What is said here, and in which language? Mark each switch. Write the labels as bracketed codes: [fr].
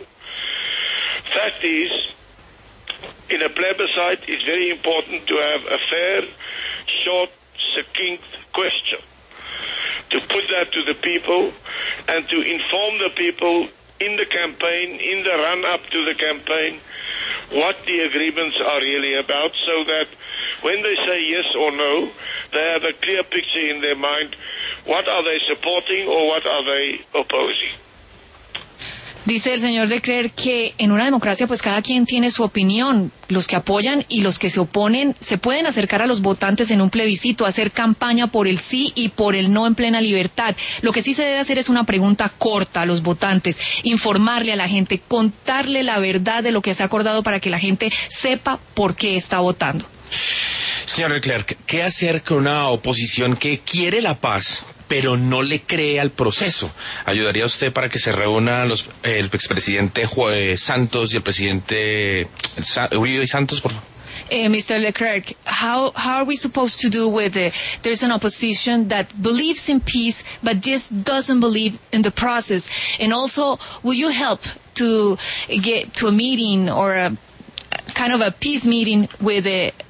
[en] Fact is, in a plebiscite, it's very important to have a fair, short, succinct question, to put that to the people and to inform the people in the campaign, in the run-up to the campaign, what the agreements are really about, so that when they say yes or no, they have a clear picture in their mind, what are they supporting or what are they opposing. [es] Dice el señor de Klerk que en una democracia pues cada quien tiene su opinión, los que apoyan y los que se oponen se pueden acercar a los votantes en un plebiscito, hacer campaña por el sí y por el no en plena libertad. Lo que sí se debe hacer es una pregunta corta a los votantes, informarle a la gente, contarle la verdad de lo que se ha acordado para que la gente sepa por qué está votando. Señor de Klerk, ¿qué hacer con una oposición que quiere la paz, pero no le cree al proceso? ¿Ayudaría usted para que se reúna los, el expresidente Santos y el presidente Uribe y Santos, por favor? [en] Mr. de Klerk, how are we supposed to do with it? There's an opposition that believes in peace, but just doesn't believe in the process. And also, will you help to get to a meeting or a kind of a peace meeting with the